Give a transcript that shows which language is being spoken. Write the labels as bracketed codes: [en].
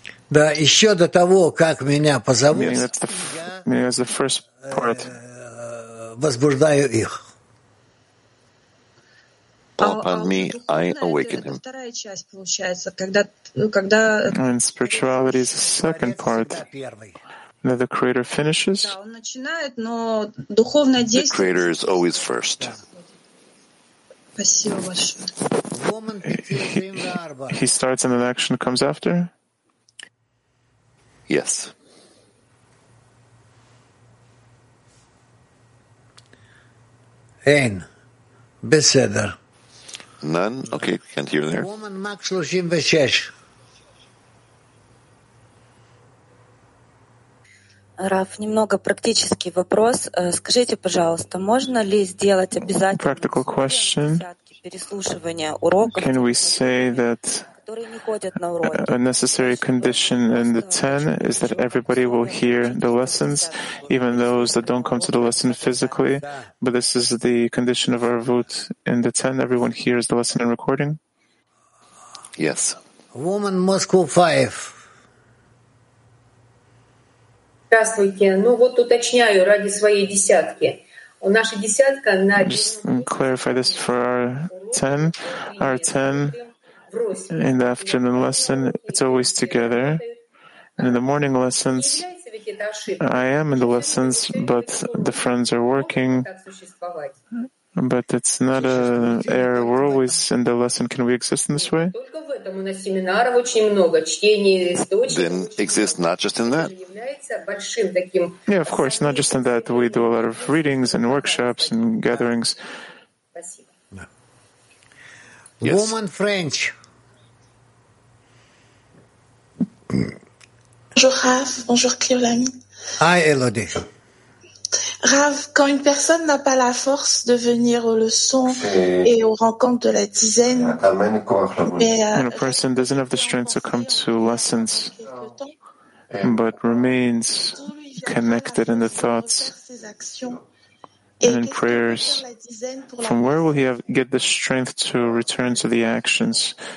[ru] Да, еще до того, как меня позовут, [en] meaning that's the, meaning that's the first part. [ru] Возбуждаю их. [en] Call upon me, I awaken him. And spirituality is the second part. Now the Creator finishes. The Creator is always first. He starts and an action comes after. Yes. [he] Ein. Beseder. [en] None? Okay, can't hear there. Woman Max 36. [ru] Раф, немного практический вопрос. Скажите, пожалуйста, можно ли сделать обязательно [en] practical question. [ru] Переслушивание уроков, [en] can we say that a necessary condition in the 10 is that everybody will hear the lessons, even those that don't come to the lesson physically, but this is the condition of our vote in the 10, everyone hears the lesson and recording? Yes. Woman Moscow 5. [ru] Здравствуйте. Ну вот уточняю ради своей десятки. У нашей десятки на [en] just clarify this for our 10. Our 10 in the afternoon lesson, it's always together. And in the morning lessons, I am in the lessons, but the friends are working. But it's not an error. We're always in the lesson. Can we exist in this way? Then exist not just in that? Yeah, of course, not just in that. We do a lot of readings and workshops and gatherings. Yes. Woman French. [fr] Bonjour Rav, bonjour Cléolami. [en] Hi Elodie. [fr] Rav, quand une personne n'a pas la force de venir aux leçons et aux rencontres de la dizaine, [en] when a person doesn't have the strength to come to lessons, but remains connected in the thoughts and in prayers, from where will he have, get the strength to return to the actions?